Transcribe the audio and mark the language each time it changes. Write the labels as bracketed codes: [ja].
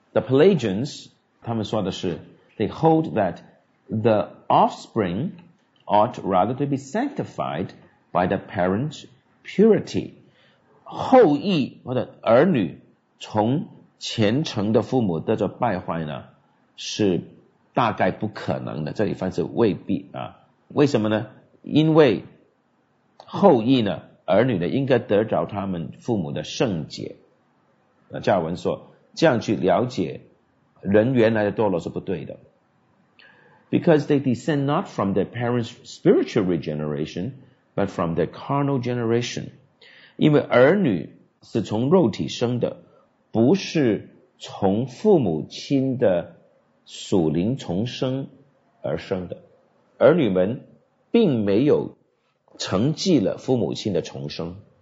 [zh] The Pelagians 他们说的是 [en] They hold that the offspring ought rather to be sanctified by the parent's purity， [zh] 后裔或者儿女从虔诚的父母得着败坏呢是大概不可能的，这里翻是未必啊。为什么呢？因为后裔呢儿女呢应该得着他们父母的圣洁。那加尔文说这样去了解人原来的堕落是不对的。 [en] Because they descend not from their parents' spiritual regeneration, but from their carnal generation. [zh] 因为儿女是从肉体生的，不是从父母亲的属灵重生而生的。儿女们并没有承继了父母亲的重生。